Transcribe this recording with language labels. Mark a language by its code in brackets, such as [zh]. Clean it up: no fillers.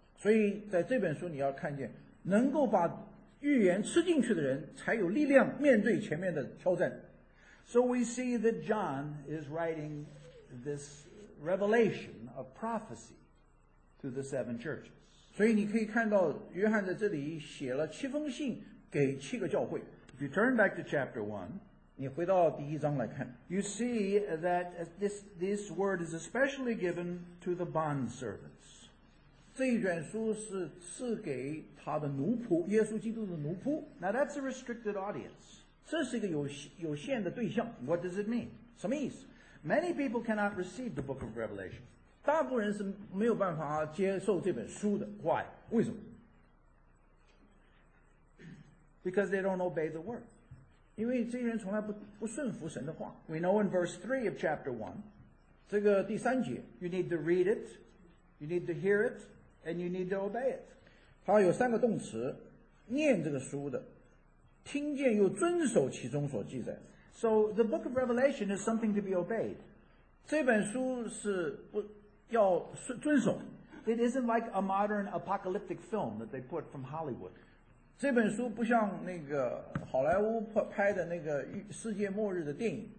[zh] 所以在这本书你要看见能够把预言吃进去的人才有力量面对前面的挑战。 [en] So we see that John is writing this revelation of prophecy to the seven churches. [zh] 所以你可以看到约翰在这里写了七封信给七个教会。 [en] If you turn back to chapter 1, [zh] 你回到第一章来看， [en] you see that this word is especially given to the bondservants. [zh] 这一卷书是赐给他的奴仆，耶稣基督的奴仆。 [en] Now that's a restricted audience. [zh] 这是一个有限的对象。 [en] What does it mean? [zh] 什么意思？ [en] Many people cannot receive the book of Revelation. [zh] 大部分人是没有办法接受这本书的。 [en] Why? [zh] 为什么？ [en] Because they don't obey the word. [zh] 因为这些人从来不顺服神的话。 [en] We know in verse 3 of chapter 1, [zh] 这个第三节， [en] you need to read it. You need to hear it, and you need to obey it. [zh] 好，有三个动词，念这个书的，听见又遵守其中所记载。 [en] So the book of Revelation is something to be obeyed. [zh] 这本书是要遵守。 [en] It isn't like a modern apocalyptic film that they put from Hollywood. [zh] 这本书不像那个好莱坞拍的那个世界末日的电影。